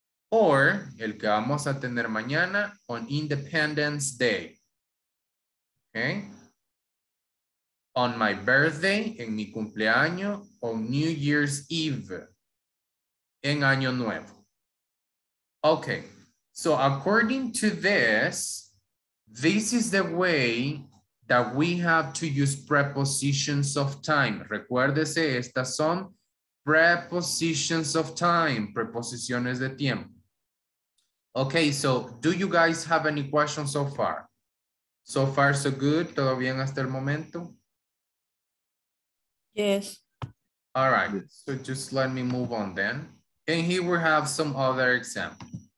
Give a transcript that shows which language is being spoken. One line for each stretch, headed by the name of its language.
Spanish: Or el que vamos a tener mañana,
English: on Independence Day.
Spanish: Okay.
English: On my birthday,
Spanish: en mi cumpleaños,
English: on New Year's Eve,
Spanish: en Año Nuevo.
English: Okay, so according to this, this is the way that we have to use prepositions of time.
Spanish: Recuérdese, estas son
English: prepositions of time,
Spanish: preposiciones de tiempo.
English: Okay, so do you guys have any questions so far? So far, so good.
Spanish: ¿Todo bien hasta el momento?
English: Yes. All right. Yes. So just let me move on then. And here we have some other examples.